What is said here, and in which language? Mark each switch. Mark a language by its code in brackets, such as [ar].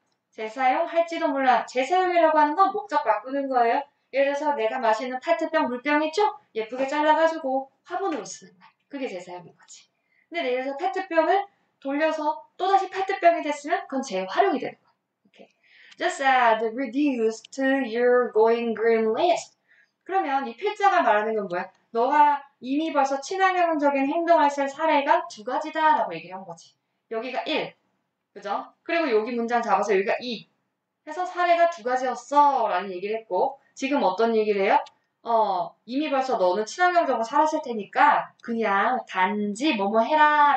[ko] 재사용할지도 몰라. 재사용이라고 하는 건 목적 바꾸는 거예요. 예를 들어서 내가 마시는 페트병 물병 있죠? 예쁘게 잘라가지고 화분으로 쓰는 거야. 그게 재사용인 거지. 근데 예를 들어서 페트병을 돌려서 또다시 페트병이 됐으면 그건 재활용이 되는 거야. [en] Just add reduce to your going green list. [ko] 그러면 이 필자가 말하는 건 뭐야? 너가 이미 벌써 친환경적인 행동을 쓸 사례가 두 가지다라고 얘기를 한 거지. 여기가 1. 그죠? 그리고 여기 문장 잡아서 여기가 2. 해서 사례가 두 가지였어. 라는 얘기를 했고, 지금 어떤 얘기를 해요? 이미 벌써 너는 친환경적으로 살았을 테니까, 그냥 단지 뭐뭐 해라.